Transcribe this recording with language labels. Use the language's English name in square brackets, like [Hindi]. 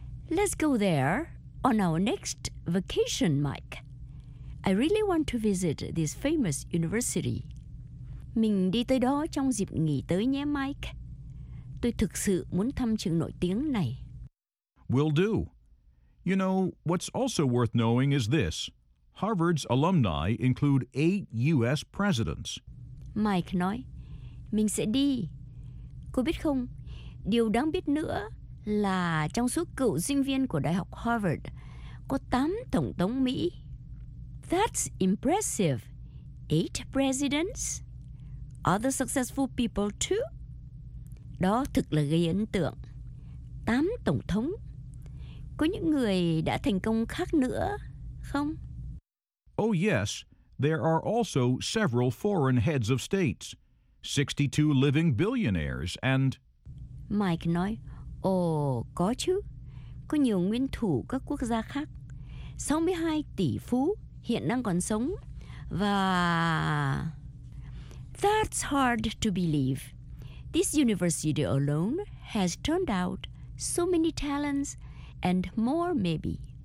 [English] Let's go there on our next vacation, Mike. I really want to visit this famous university. [Vietnamese] Mình đi tới đó trong dịp nghỉ tới nhé, Mike. Tôi thực sự muốn thăm trường nổi tiếng này. [English] Will do. You know, what's also worth knowing is this. Harvard's alumni include 8 U.S. presidents. [Vietnamese] Mike nói, mình sẽ đi. Cô biết không, điều đáng biết nữa là trong số cựu sinh viên của Đại học Harvard, có 8 tổng thống Mỹ. [English] That's impressive. 8 presidents? Other successful people too? [Vietnamese] Đó thực là gây ấn tượng. 8 tổng thống. Có những người đã thành công khác nữa, không? [English] Oh yes, there are also several foreign heads of states. 62 living billionaires and... [Vietnamese] Mike nói, ồ, có chứ. Có nhiều nguyên thủ các quốc gia khác. 62 tỷ phú hiện đang còn sống. Và... [English] That's hard to believe. This university alone has turned out so many talents and more maybe.